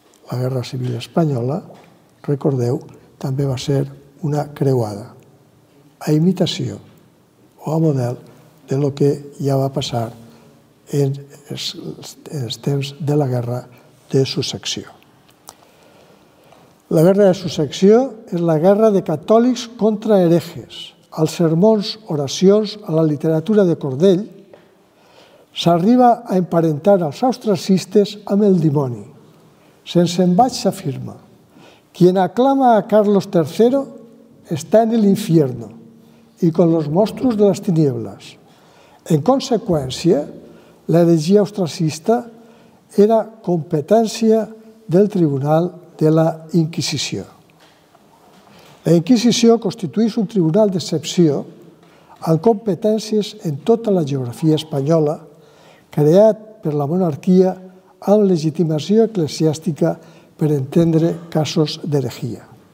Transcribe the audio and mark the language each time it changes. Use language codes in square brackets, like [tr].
[ca] La Guerra Civil Espanyola, recordeu, també va ser una creuada a imitació o a model de lo que ja va passar en els temps de la Guerra de Successió. La Guerra de Successió és la guerra de catòlics contra hereges. Als sermons, oracions, a la literatura de Cordell, s'arriba a emparentar els austracistes amb el dimoni. Sense embat s'afirma: [es] quien aclama a Carlos III está en el infierno y con los monstruos de las tinieblas. [ca] En conseqüència, l'heregia austracista era competència del Tribunal de la Inquisició. La Inquisició constituís un tribunal d'excepció amb competències en tota la geografia espanyola, creat per la monarquia amb legitimació eclesiàstica per entendre casos d'heregia.